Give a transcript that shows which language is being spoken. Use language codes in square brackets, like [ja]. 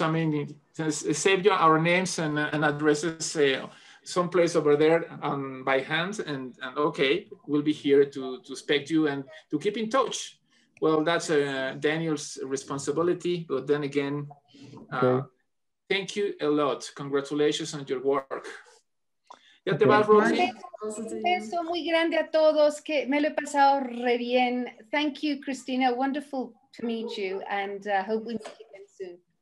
[en] I mean, save you our names and addresses someplace over there by hand. And okay, we'll be here to expect you and to keep in touch. Well, that's Daniel's responsibility. But then again, okay. Thank you a lot. Congratulations on your work. [es] Ya te vas, Rosy. Un beso muy grande a todos, que me lo he pasado re bien. [en] Thank you, Cristina. Wonderful to meet you, and hope we meet again soon.